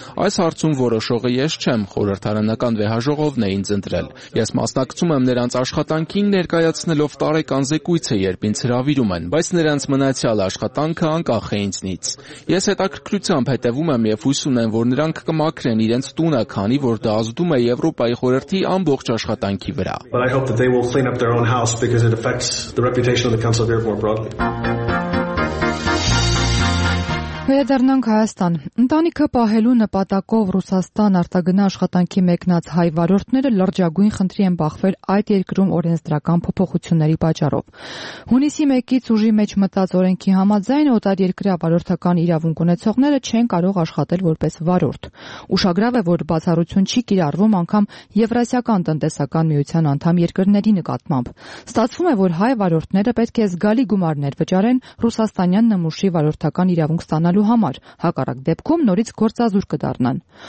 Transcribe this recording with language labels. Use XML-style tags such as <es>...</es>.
<hy>Այս հարցում որոշողը ես չեմ, խորհրդարանական վեհաժողովն է ինձ ընտրել։ Ես մասնակցում եմ նրանց աշխատանքին, ներկայացնելով տարեկան զեկույցը, երբ ինձ հրավիրում են, բայց նրանց մնացյալ աշխատանքը անկախ է ինձնից։ Ես հետաքրքրությամբ հետևում եմ եւ հույս ունեմ, որ նրանք կմաքրեն իրենց տունը, քանի որ դա ազդում է Եվրոպայի խորհրդի ամբողջ աշխատանքի վրա։</hy> <en>The reputation of the Council of Europe more broadly.</en> <hy>Վերադառնանք Հայաստան։ Ընտանիքը պահելու նպատակով Ռուսաստան արտագնա աշխատանքի մեկնած հայ վարորդները լրջագույն խնդրի են բախվել այդ երկրում օրենսդրական փոփոխությունների պատճառով։ Հունիսի 1-ից ուժի մեջ մտած օրենքի համաձայն օտար երկրի վարորդական իրավունք ունեցողները չեն կարող աշխատել որպես վարորդ։ Ուշագրավ է, որ բացառություն չի կիրառվում անգամ Եվրասիական տնտեսական միության անդամ երկրների նկատմամբ։ Ստացվում է, որ հայ վարորդները պետք է զգալի գումարներ վճարեն ռուսաստանյան նմուշի վարորդական իրավունք ստանալու համար, հակառակ դեպքում նորից գործազուր կդառնան։</hy>